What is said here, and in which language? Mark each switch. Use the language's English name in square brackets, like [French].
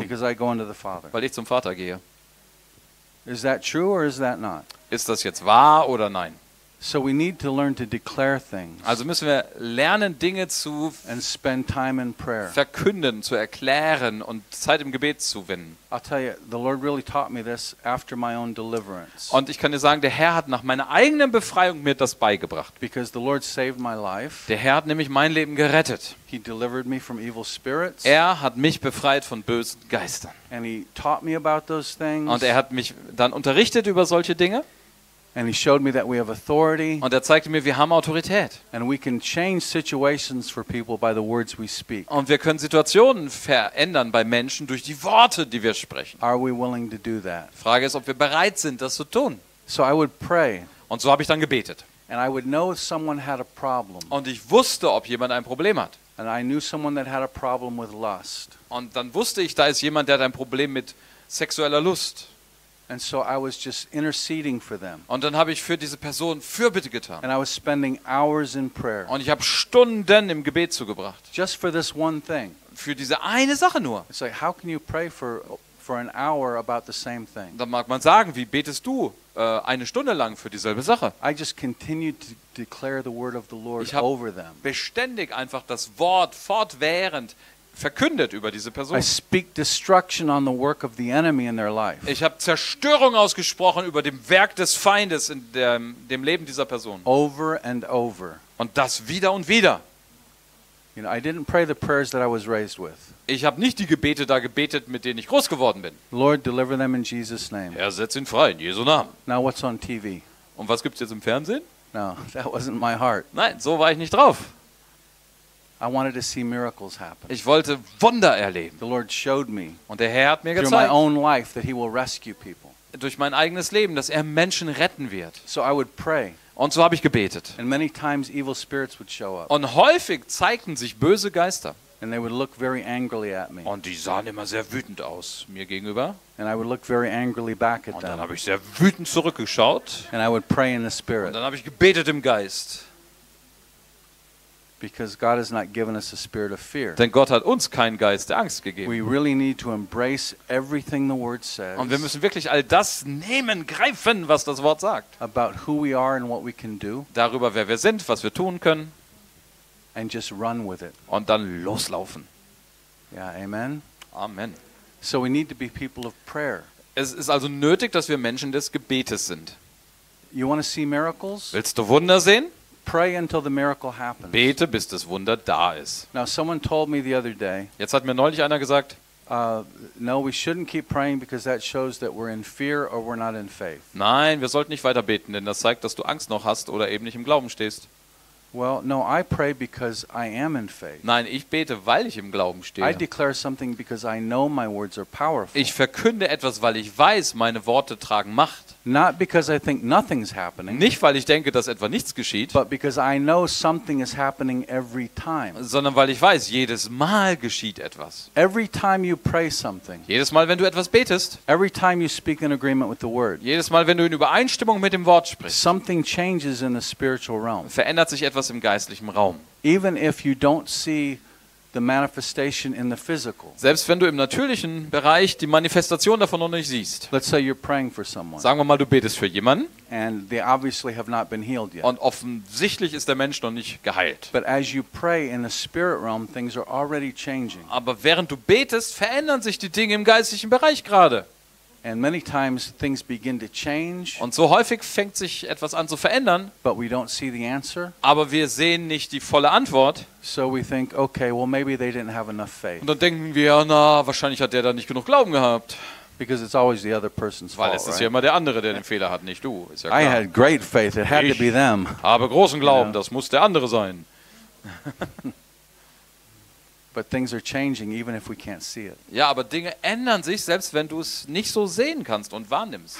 [English] Because I go unto the Father. [German] Weil ich zum Vater gehe. [English] Is that true or is that not? [German] Ist das jetzt wahr oder nein? [English] So we need to learn to declare things. [German] Also müssen wir lernen, Dinge zu [English] and spend time in prayer. [German] Verkünden, zu erklären und Zeit im Gebet zu wenden. [English] I'll tell you, the Lord really taught me this after my own deliverance. [German] Und ich kann dir sagen, der Herr hat nach meiner eigenen Befreiung mir das beigebracht. [English] Because the Lord saved my life. [German] Der Herr hat nämlich mein Leben gerettet. [English] He delivered me from evil spirits. [German] Er hat mich befreit von bösen Geistern. [English] And he taught me about those things. [German] Und er hat mich dann unterrichtet über solche Dinge. [English] And he showed me that we have authority. [German] Und er zeigte mir, wir haben Autorität. [English] And we can change situations for people by the words we speak. [German] Und wir können Situationen verändern bei Menschen durch die Worte, die wir sprechen. [English] Are we willing to do that? [German] Frage ist, ob wir bereit sind, das zu tun. [English] So I would pray. [German] Und so habe ich dann gebetet. [English] And I would know if someone had a problem. [German] Und ich wusste, ob jemand ein Problem hat. [English] And I knew someone that had a problem with lust. [German] Und dann wusste ich, da ist jemand, der hat ein Problem mit sexueller Lust. [English] And so I was just interceding for them. [German] Und dann habe ich für diese Person Fürbitte getan. [English] And I was spending hours in prayer. [German] Und ich habe Stunden im Gebet zugebracht. [English] Just for this one thing. [German] Für diese eine Sache nur. [English] It's like, how can you pray for for an hour about the same thing. [German] Dann mag man sagen, wie betest du eine Stunde lang für dieselbe Sache? [English] I just continued to declare the word of the Lord over them. [German] Ich habe beständig einfach das Wort fortwährend verkündet über diese Person. [English] I speak destruction on the work of the enemy in their life. [German] Ich habe Zerstörung ausgesprochen über dem Werk des Feindes in dem Leben dieser Person. [English] Over and over. [German] Und das wieder und wieder. [English] You know, I didn't pray the prayers that I was raised with. [German] Ich habe nicht die Gebete da gebetet, mit denen ich groß geworden bin. [English] Lord, deliver them in Jesus name. [German] Herr, setz ihn frei in Jesu Namen. [English] Now what's on TV? [German] Und was gibt's jetzt im Fernsehen? [English] No, that wasn't my heart. [German] Nein, so war ich nicht drauf. [English] I wanted to see miracles happen. [German] Ich wollte Wunder erleben. [English] The Lord showed me. [German] Und der Herr hat mir gezeigt. [English] Through my own life that he will rescue people. [German] Durch mein eigenes Leben, dass er Menschen retten wird. [English] So I would pray. [German] Und so habe ich gebetet. [English] And many times evil spirits would show up. [German] Und häufig zeigten sich böse Geister. [English] And they would look very angrily at me. [German] Und die sahen immer sehr wütend aus mir gegenüber. [English] And I would look very angrily back at [German] them. Und dann habe ich sehr wütend zurückgeschaut. [English] And I would pray in the spirit. [German] Und dann habe ich gebetet im Geist. [English] Because God has not given us a spirit of fear. [German] Denn Gott hat uns keinen Geist der Angst gegeben. [English] We really need to embrace everything the word says. [German] Und wir müssen wirklich all das nehmen, greifen, was das Wort sagt. [English] About who we are and what we can do. [German] Darüber, wer wir sind, was wir tun können. [English] And just run with it. [German] Und dann loslaufen. [English] Yeah, amen. [German] Amen. [English] So we need to be people of prayer. [German] Es ist also nötig, dass wir Menschen des Gebetes sind. [English] You want to see miracles? [German] Willst du Wunder sehen? [English] Pray until the miracle happens. [German] Bete, bis das Wunder da ist. [English] Now someone told me the other day. [German] Jetzt hat mir neulich einer gesagt. [English] No, we shouldn't keep praying because that shows that we're in fear or we're not in faith. [German] Nein, wir sollten nicht weiter beten, denn das zeigt, dass du Angst noch hast oder eben nicht im Glauben stehst. [English] Well, no, I pray because I am in faith. [German] Nein, ich bete, weil ich im Glauben stehe. [English] I declare something because I know my words are powerful. [German] Ich verkünde etwas, weil ich weiß, meine Worte tragen Macht. [English] Not because I think nothing's happening. [German] Nicht weil ich denke, dass etwa nichts geschieht. [English] But because I know something is happening every time. [German] Sondern weil ich weiß, jedes Mal geschieht etwas. [English] Every time you pray something. [German] Jedes Mal, wenn du etwas betest. [English] Every time you speak in agreement with the word. [German] Jedes Mal, wenn du in Übereinstimmung mit dem Wort sprichst. [English] Something changes in the spiritual realm. [German] Verändert sich etwas im geistlichen Raum. [English] Even if you don't see the manifestation in the physical. [German] Selbst wenn du im natürlichen Bereich die Manifestation davon noch nicht siehst. [English] Let's say you're praying for someone. [German] Sagen wir mal, du betest für jemanden. [English] And they obviously have not been healed yet. [German] Und offensichtlich ist der Mensch noch nicht geheilt. [English] But as you pray in the spirit realm, things are already changing. [German] Aber während du betest, verändern sich die Dinge im geistlichen Bereich gerade. [English] And many times things begin to change. [German] Und so häufig fängt sich etwas an zu verändern. [English] But we don't see the answer. [German] Aber wir sehen nicht die volle Antwort. [English] So we think, okay, well maybe they didn't have enough faith. [German] Und dann denken wir, na, wahrscheinlich hat der da nicht genug Glauben gehabt. [English] Because it's always the other person's fault. [German] Weil es ist ja immer der andere, der den Fehler hat, nicht du. Ist ja klar. [English] I had great faith. It had to be them. [German] Ich habe großen Glauben. Das muss der andere sein. [English] But things are changing even if we can't see it. [German] Ja, aber Dinge ändern sich, selbst wenn du es nicht so sehen kannst und wahrnimmst.